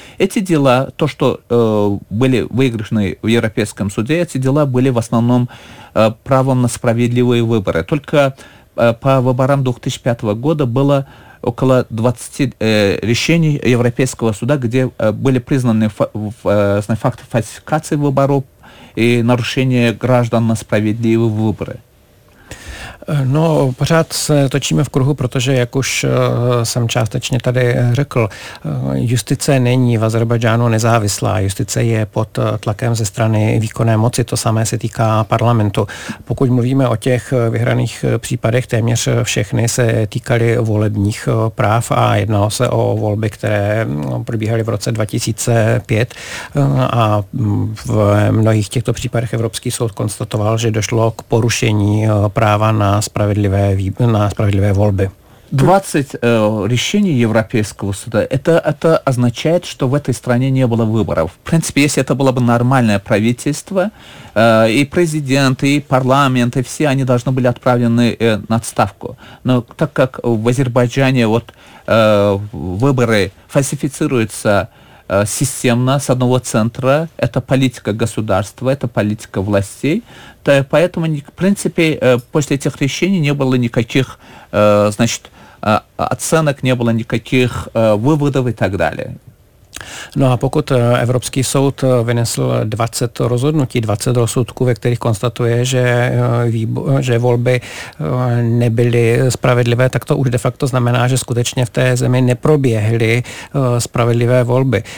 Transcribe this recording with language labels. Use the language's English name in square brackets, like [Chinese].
[Russian] Эти дела, то, что были выигрышны в Европейском суде, эти дела были в основном правом на справедливые выборы. Только по выборам 2005 года было около 20 решений Европейского суда, где были признаны факты фальсификации выборов и нарушение граждан на справедливые выборы. [Czech] No, pořád se točíme v kruhu, protože, jak už jsem částečně tady řekl, justice není v Azerbajdžánu nezávislá. Justice je pod tlakem ze strany výkonné moci. To samé se týká parlamentu. Pokud mluvíme o těch vyhraných případech, téměř všechny se týkaly volebních práv a jednalo se o volby, které probíhaly v roce 2005. A v mnohých těchto případech Evropský soud konstatoval, že došlo k porušení práva na spravedlivé volby. [Russian] 20 rešení Европейского суда, это означает, что в этой стране не было выборов. В принципе, если это было бы нормальное правительство, и президент, и парламент, и все они должны были отправлены на отставку. Но так как в Азербайджане вот выборы фальсифицируются системно с одного центра, это политика государства, это политика властей, то поэтому, в принципе, после этих решений не было никаких, значит, оценок, не было никаких выводов и так далее. [Czech] No a pokud Evropský soud vynesl 20 rozhodnutí, 20 rozsudků, ve kterých konstatuje, že volby nebyly spravedlivé, tak to už de facto znamená, že skutečně v té zemi neproběhly spravedlivé volby.